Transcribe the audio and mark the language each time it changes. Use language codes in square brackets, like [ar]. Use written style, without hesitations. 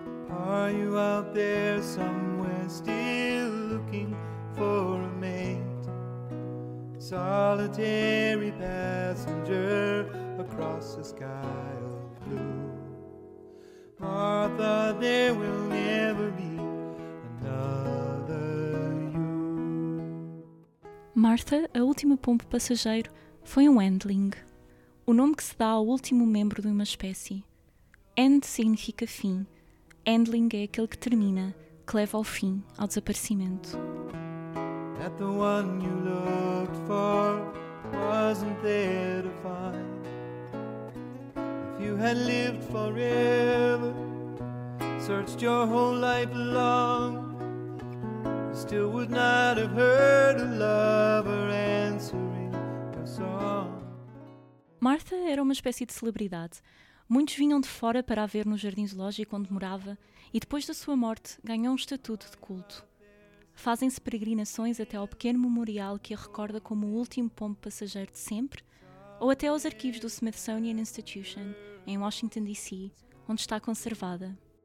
[en] Are you out there somewhere still looking for a mate? Solitary passenger across the sky of blue. Martha, there will never be another you. [pt] Martha, a última pombo passageiro, foi um endling. O nome que se dá ao último membro de uma espécie. End significa fim. Endling é aquele que termina, que leva ao fim, ao desaparecimento. [en] That the one you looked for wasn't there to find. You had lived forever, searched your whole life long, you still would not have heard a lover answering a song. [pt] Martha era uma espécie de celebridade. Muitos vinham de fora para a ver no jardim zoológico onde morava e depois da sua morte ganhou um estatuto de culto. Fazem-se peregrinações até ao pequeno memorial que a recorda como o último pombo passageiro de sempre, ou até aos arquivos do Smithsonian Institution, em Washington, D.C., onde está conservada.